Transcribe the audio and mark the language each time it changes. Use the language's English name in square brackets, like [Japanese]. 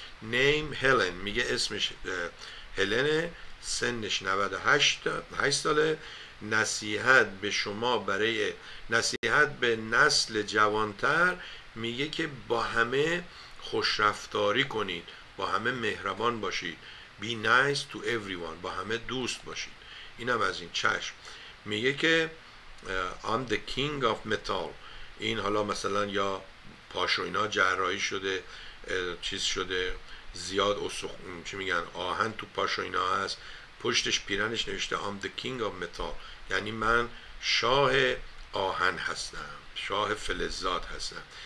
[Persian] نیم هلن، میگه اسمش هلنه، سنش 98 ساله. نصیحت به شما، برای نصیحت به نسل جوانتر، میگه که با همه خوشرفتاری کنید، با همه مهربان باشید، [English] be nice to everyone، [Persian] با همه دوست باشید. اینم از این چشم. میگه که [English] I'm the king of metal. [Persian] این حالا مثلا یا پاش و اینا جراحی شده، چیز شده، زیاد استخون چی میگن آهن تو پاش و اینا هست، پشتش پیرنش نوشته [English] I'm the king of metal، [Persian] یعنی من شاه آهن هستم، شاه فلزات هستم.